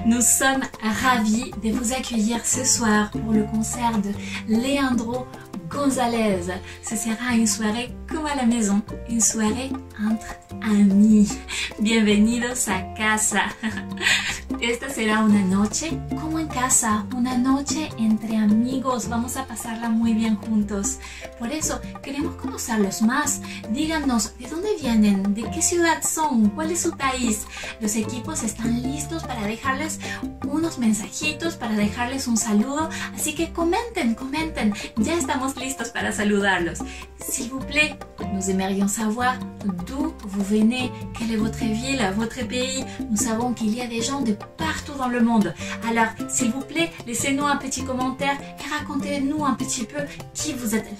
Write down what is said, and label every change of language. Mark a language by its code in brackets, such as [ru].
[fr] Nous sommes ravis de vous accueillir ce soir pour le concert de Leandro González. Ce sera une soirée comme à la maison, une soirée entre amis. [es] Bienvenidos a casa. Esta será una noche como en casa, una noche entre amigos. Vamos a pasarla muy bien juntos. Por eso, queremos conocerlos más. Díganos, ¿de dónde vienen? ¿De qué ciudad son? ¿Cuál es su país? Los equipos están listos para dejarles unos mensajitos, para dejarles un saludo. Así que comenten, comenten. Ya estamos listos para saludarlos. [fr] S'il vous plaît, nous aimerions savoir d'où vous venez, quelle est votre ville, votre pays. Nous savons qu'il y a des gens de partout dans le monde. Alors, s'il vous plaît, laissez-nous un petit commentaire et racontez-nous un petit peu qui vous êtes.